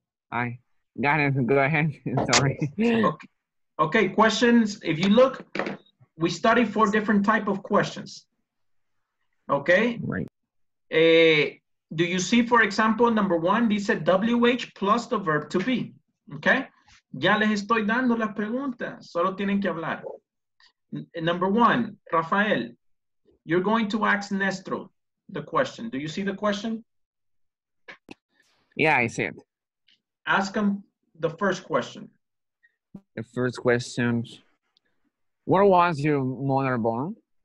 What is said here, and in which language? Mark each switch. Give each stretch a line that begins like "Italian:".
English: Ay, got it, go ahead, sorry. Okay, questions, if you look, we study four different type of questions. Okay? Right. Do you see, for example, number one, dice WH plus the verb to be. Okay?
Spanish: Ya les estoy dando las preguntas, solo tienen que hablar.
English: Number one, Rafael, you're going to ask Nestro the question. Do you see the question? Yeah, I see it. Ask him the first question. The first question, where was your mother born?